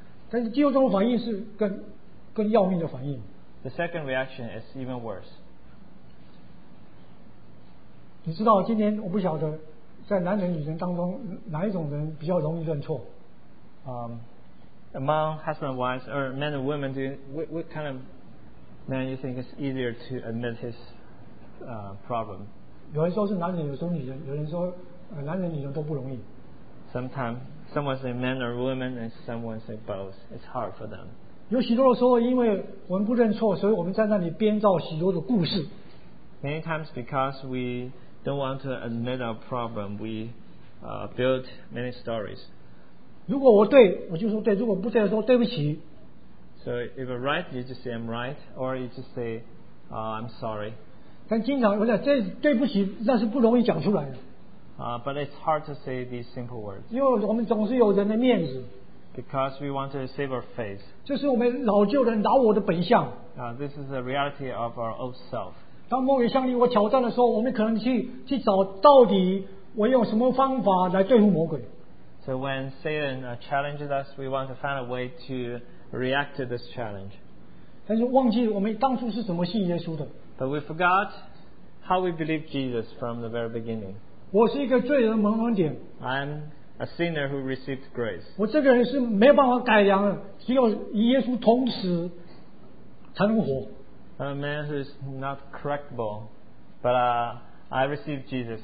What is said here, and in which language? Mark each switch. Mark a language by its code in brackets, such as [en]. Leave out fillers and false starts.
[zh] 但是第二种反应是更要命的反应。 [en] The second reaction is even worse. [zh] 你知道今天我不晓得在男人女人当中哪一种人比较容易认错。 [en] Among husband and wives or men and women, what kind of man you think is easier to admit his problem? [zh] 有人说是男人，有时候女人，有人说男人女人都不容易。 [en] Sometimes someone say men or women and someone say both. It's hard for them. [zh] 有许多的时候因为我们不认错，所以我们在那里编造许多的故事。 [en] Many times because we don't want to admit our problem, we build many stories. [zh] 如果我对，我就说对；如果不对，说对不起。 [en] So if I'm right, you just say I'm right, or you just say I'm sorry. [zh] 但经常我讲这对不起，那是不容易讲出来的。 [en] But it's hard to say these simple words. [zh] 因为我们总是有人的面子。 [en] Because we want to save our face. [zh] 这是我们老旧人老我的本相。 [en] This is the reality of our old self. [zh] 当魔鬼向你我挑战的时候，我们可能去找到底我用什么方法来对付魔鬼。 [en] So when Satan challenges us, we want to find a way to react to this challenge. [zh] 但是忘记我们当初是怎么信耶稣的。 [en] But we forgot how we believed Jesus from the very beginning. [zh] 我是一个罪人蒙恩典。 [en] I'm a sinner who received grace. [zh] 我这个人是没有办法改良的，只有与耶稣同时才能活。 [en] I'm a man who is not correctable, but I received Jesus.